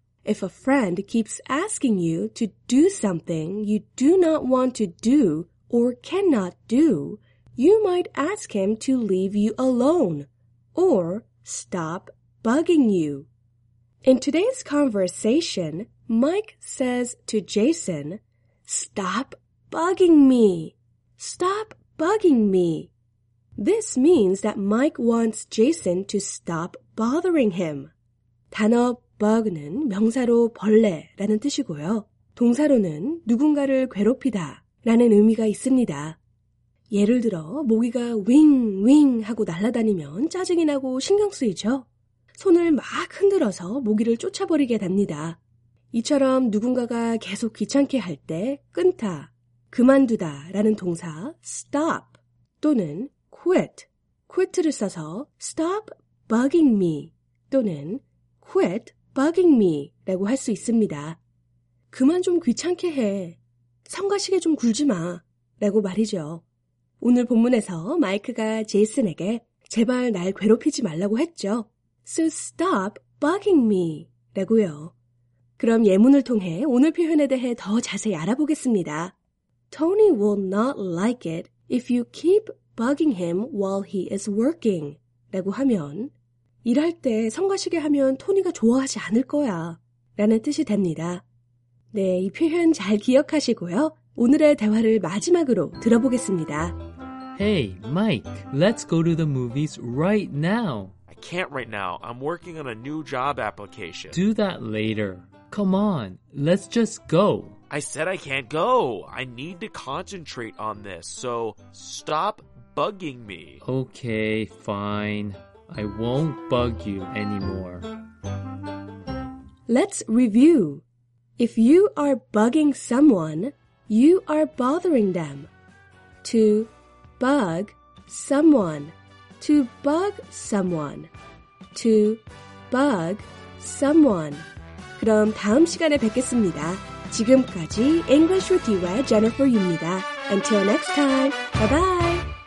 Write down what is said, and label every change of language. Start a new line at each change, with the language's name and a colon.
English: If a friend keeps asking you to do something you do not want to do or cannot do, you might ask him to leave you alone or stop bugging you. In today's conversation, Mike says to Jason, stop bugging me, stop bugging me. This means that Mike wants Jason to stop bothering him.
Korean: 단어 bug는 명사로 벌레라는 뜻이고요. 동사로는 누군가를 괴롭히다 라는 의미가 있습니다. 예를 들어 모기가 윙윙 하고 날아다니면 짜증이 나고 신경 쓰이죠. 손을 막 흔들어서 모기를 쫓아버리게 됩니다. 이처럼 누군가가 계속 귀찮게 할 때 끊다, 그만두다 라는 동사 stop 또는 quit, quit를 써서
English: stop bugging me
Korean: 또는
English: quit bugging me
Korean: 라고 할 수 있습니다. 그만 좀 귀찮게 해, 성가시게 좀 굴지 마 라고 말이죠. 오늘 본문에서 마이크가 제이슨에게 제발 날 괴롭히지 말라고 했죠.
English: So stop bugging me
Korean: 라고요. 그럼 예문을 통해 오늘 표현에 대해 더 자세히 알아보겠습니다.
English: Tony will not like it if you keep bugging him while he is working.
Korean: 라고 하면 일할 때 성가시게 하면 토니가 좋아하지 않을 거야 라는 뜻이 됩니다. 네, 이 표현 잘 기억하시고요. 오늘의 대화를 마지막으로 들어보겠습니다.
English: Hey, Mike, let's go to the movies right now. I can't right now. I'm working on a new job application. Do that later. Come on, let's just go. I said I can't go. I need to concentrate on this, so stop bugging me. Okay, fine. I won't bug you anymore. Let's review. If you are bugging someone, you are bothering them. To bug someone. To bug someone. To bug someone.
Korean: 그럼 다음 시간에 뵙겠습니다. 지금까지 English with You의 Jennifer 유입니다.
English: Until next time, bye-bye!